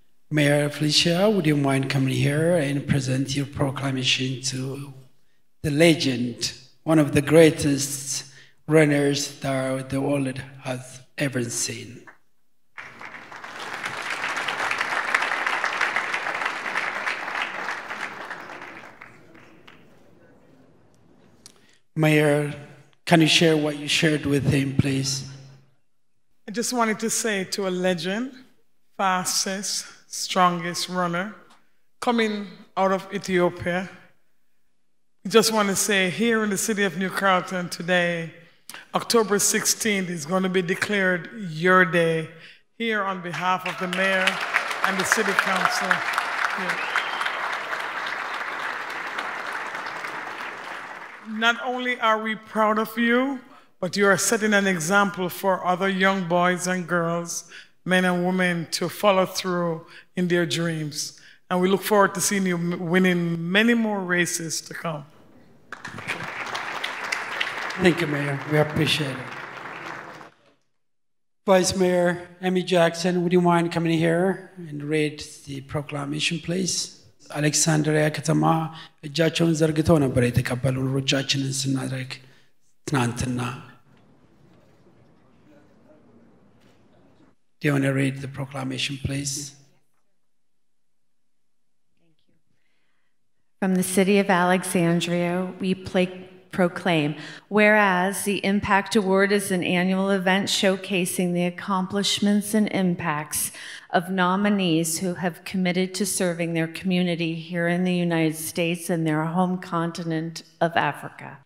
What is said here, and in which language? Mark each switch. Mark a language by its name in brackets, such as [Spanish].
[English] ሜየር ፍሊሺያ ውድ ዩ ማይንድ ካሚንግ ሂር ኤንድ ፕሬዘንት ዩር ፕሮክላሜሽን ቱ ዘ ሌጀንድ ዋን ኦፍ ዘ ግሬተስት ረነርስ ዳር ዘ ወርልድ ሃዝ ኤቨር ሲን Mayor, can you share what you shared with him, please? I just wanted to say to a legend, fastest, strongest runner, coming out of Ethiopia, I just want to say here in the city of New Carlton today, October 16th is going to be declared your day here on behalf of the mayor. and the city council. Yeah. Not only are we proud of you, but you are setting an example for other young boys and girls, men and women, to follow through in their dreams. And we look forward to seeing you winning many more races to come. Thank you, Mayor. We appreciate it. Vice Mayor Emmy Jackson, would you mind coming here and read the proclamation, please? [Amharic] አሌክሳንድሪያ ከተማ እጃቸውን ዘርግተው ነበር የተቀበሉን ሩጫችንን ስናደርግ ትናንትና [English] Do you want to read the proclamation, please? Thank you. From the city of Alexandria, we proclaim, whereas the Impact Award is an annual event showcasing the accomplishments and impacts of nominees who have committed to serving their community here in the United States and their home continent of Africa.